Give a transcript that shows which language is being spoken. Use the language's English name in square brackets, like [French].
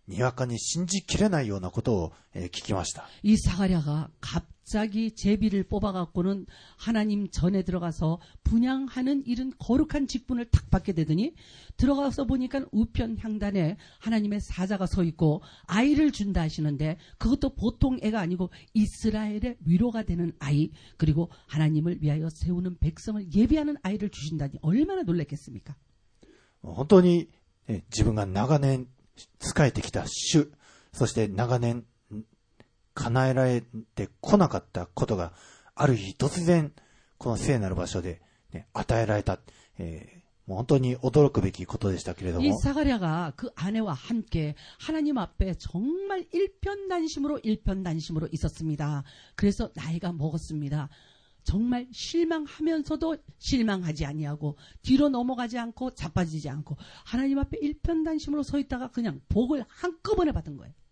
[Japanese] この祭司ザカリアは突然のことで、もう本当にしかも突拍子もないにわかに信じきれないようなことを聞きました。 [Korean] 이 사가랴가 갑자기 제비를 뽑아갖고는 하나님 전에 들어가서 분향하는 이런 거룩한 직분을 탁 받게 되더니 들어가서 보니까 우편 향단에 하나님의 사자가 서 있고 아이를 준다 하시는데 그것도 보통 애가 아니고 이스라엘의 위로가 되는 아이 그리고 하나님을 위하여 세우는 백성을 예비하는 아이를 주신다니 얼마나 놀랬겠습니까? [Japanese] 本当に 자신이 長年 使えてきた主、そして長年 叶えられてこなかったことがある日突然この聖なる場所で与えられた、もう本当に驚くべきことでしたけれども。 [Korean] 이 사가랴가 그 아내와 함께 하나님 앞에 정말 일편단심으로 일편단심으로 있었습니다. 그래서 나이가 먹었습니다. 정말 실망하면서도 실망하지 아니하고 뒤로 넘어가지 않고 자빠지지 않고 하나님 앞에 일편단심으로 서 있다가 그냥 복을 한꺼번에 받은 거예요.